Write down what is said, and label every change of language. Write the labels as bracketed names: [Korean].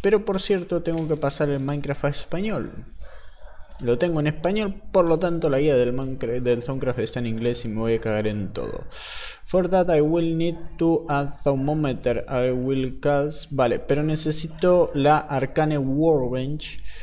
[Spanish] Pero por cierto, tengo que pasar el Minecraft a español. Lo tengo en español, por lo tanto la guía del Thorncross está en inglés y me voy a cagar en todo. [English] For that I will need to add thermometer. I will cast... [Spanish] Vale, pero necesito la Arcane Workbench.